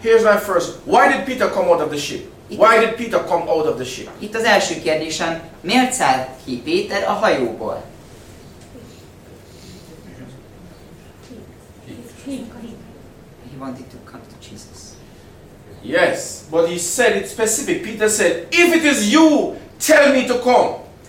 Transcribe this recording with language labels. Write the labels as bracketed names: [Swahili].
[English] Here's my first, why did Peter come out of the ship? Why did Peter come out of the ship? [Hungarian] Itt az első kérdésem, miért szállt ki Péter a hajóból? [English] He wanted to come to Jesus. Yes, but he said it specific. Peter said, if it is you, tell me to come.